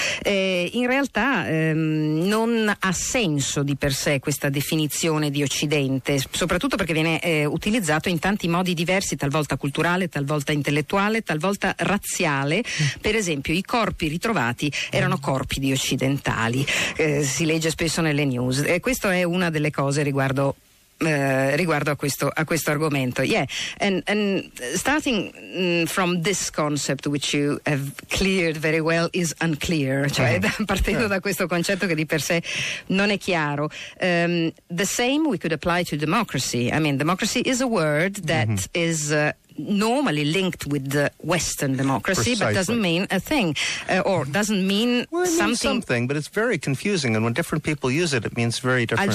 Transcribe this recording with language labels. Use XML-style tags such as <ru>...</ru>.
<it>In realtà non ha senso di per sé questa definizione di Occidente, soprattutto perché viene utilizzato in tanti modi diversi, talvolta culturale, talvolta intellettuale, talvolta razziale. Per esempio i corpi ritrovati erano corpi di occidentali, si legge spesso nelle news, e questa è una delle cose riguardo a questo argomento.</it> <en>Yeah, and starting from this concept, which you have cleared very well, is unclear.</en> <it>Cioè, partendo da questo concetto che di per sé non è chiaro.</it> <en>The same we could apply to democracy. I mean, democracy is a word that is normally linked with the Western democracy. Precisely. But doesn't mean a thing, or doesn't mean something, but it's very confusing, and when different people use it, it means very different things.</en>